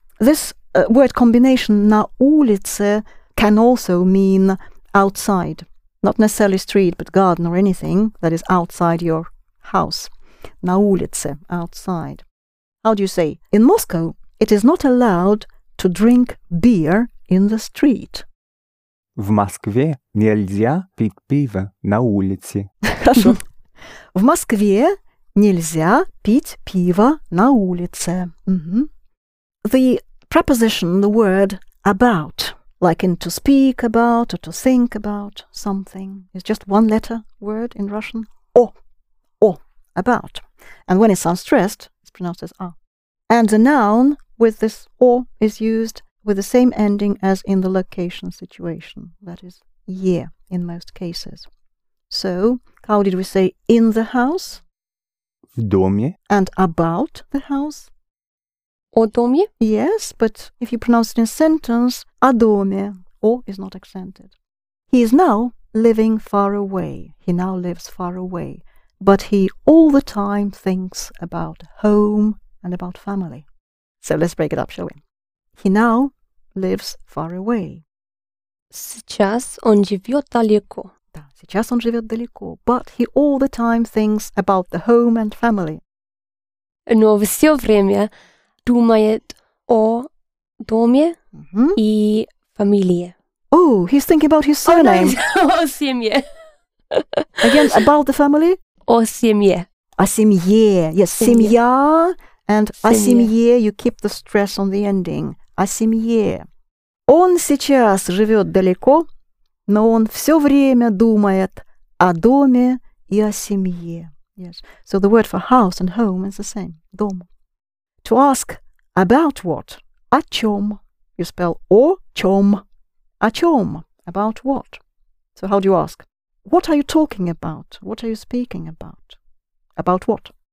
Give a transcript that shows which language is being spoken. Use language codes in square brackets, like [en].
[en] This word combination на улице can also mean outside. Not necessarily street, but garden or anything that is outside your house. [ru] На улице, [en] outside. How do you say? In Moscow, it is not allowed to drink beer in the street. [ru] В Москве нельзя пить пиво на улице. Хорошо. В Москве нельзя пить пиво на улице. [en] The preposition, the word about, like in to speak about or to think about something, is just one letter word in Russian. О, about. And when it sounds stressed, it's pronounced as а. And the noun with this о is used with the same ending as in the location situation, that is, year in most cases. So, how did we say in the house? [ru] В доме. [en] And about the house? [ru] О доме. [en] Yes, but if you pronounce it in a sentence, [ru] о доме, [en] о is not accented. He is now living far away. He now lives far away. But he all the time thinks about home, and about family. So let's break it up, shall we? He now lives far away. [ru] Сейчас он живет далеко. Да, сейчас он живет далеко. [en] But he all the time thinks about the home and family. [ru] Но все время думает о доме и фамилии. [en] Oh, he's thinking about his surname. [ru] О семье. [en] Again, about the family. [ru] О семье. О семье. [en] Yes, семья. And о семье, you keep the stress on the ending. О семье. [ru] Он сейчас живет далеко, но он все время думает о доме и о семье. [en] Yes. So the word for house and home is the same. [ru] Дом. [en] To ask about what? [ru] О чем? [en] You spell о чем. О чем? About what? So how do you ask? What are you talking about? What are you speaking about? About what?